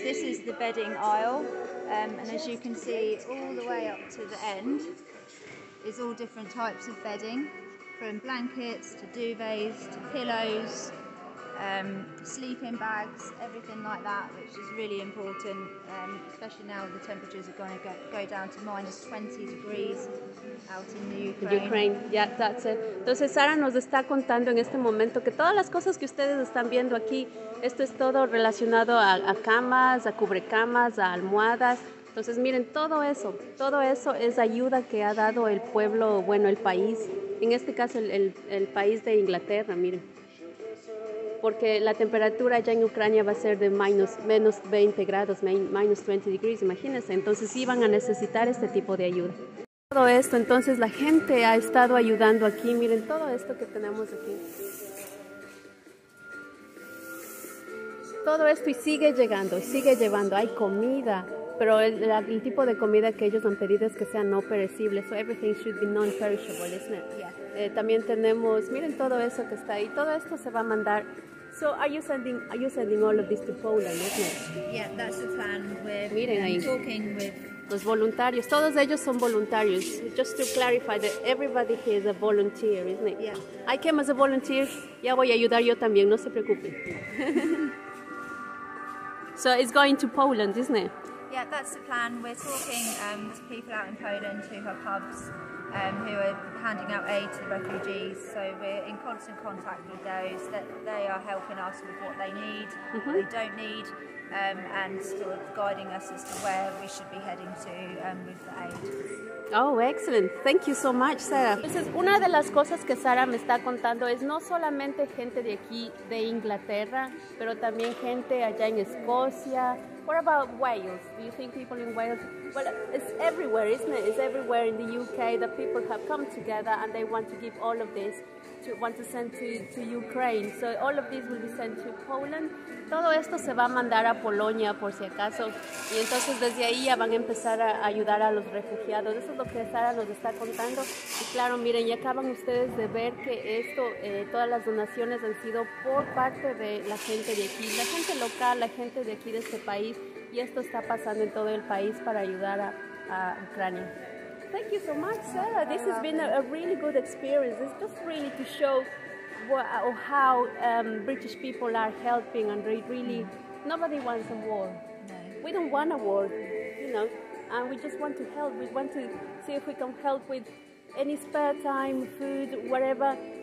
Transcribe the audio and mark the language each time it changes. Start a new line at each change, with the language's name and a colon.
English: This is the bedding aisle, and as you can see, all the way up to the end is all different types of bedding, from blankets to duvets to pillows, sleeping bags, everything like that, which is really important, especially now the temperatures are going to go down to minus 20 degrees out in the Ukraine. Yeah, that's it.
Spanish: Entonces Sarah nos está contando en este momento que todas las cosas que ustedes están viendo aquí, esto es todo relacionado a camas, a cubrecamas, a almohadas. Entonces miren, todo eso es ayuda que ha dado el pueblo, bueno, el país, en este caso el país de Inglaterra, miren. Porque la temperatura allá en Ucrania va a ser de menos 20 grados,
English: minus 20 degrees,
Spanish: imagínense. Entonces sí van a necesitar este tipo de ayuda. Todo esto, entonces la gente ha estado ayudando aquí. Miren todo esto que tenemos aquí. Todo esto y sigue llegando, sigue llevando. Hay comida, pero el tipo de comida que ellos han pedido es que sea no perecible.
English: So everything should be non-perishable, isn't it? Yeah.
Spanish: También tenemos, miren todo eso que está ahí. Todo esto se va a mandar.
English: So are you sending all of this to Poland, isn't it? Yeah, that's the plan.
Spanish: Miren ahí.
English: Talking with
Spanish: los voluntarios. Todos ellos son voluntarios.
English: Just to clarify that everybody here is a volunteer, isn't it? Yeah. I came as a volunteer.
Spanish: Ya voy a ayudar yo también, no se preocupen.
English: So it's going to Poland, isn't it? Yeah, that's the plan. We're talking to people out in Poland who have hubs who are handing out aid to the refugees. So we're in constant contact with those. That they are helping us with what they need, mm-hmm. what they don't need, and sort of guiding us as to where we should be heading to with the aid. Oh, excellent. Thank you so much, Sarah.
Spanish: Entonces, una de las cosas que Sarah me está contando es no solamente gente de aquí, de Inglaterra, pero también gente allá en Escocia.
English: What about Wales? Do you think people in Wales? Well, it's everywhere, isn't it? It's everywhere in the UK that people have come together and they want to give all of this, to send to Ukraine. So all of this will be sent to Poland.
Spanish: Todo esto se va a mandar a Polonia, por si acaso. Y entonces desde ahí ya van a empezar a ayudar a los refugiados. Eso es lo que Sara nos está contando. Y claro, miren, ya acaban ustedes de ver que esto, todas las donaciones han sido por parte de la gente de aquí, la gente local, la gente de aquí de este país. Y esto está pasando en todo el país para ayudar a Ucrania.
English: Thank you so much, Sarah. This has been a really good experience. It's just really to show how British people are helping and really, nobody wants a war. No. We don't want a war, you know, and we just want to help. We want to see if we can help with any spare time, food, whatever.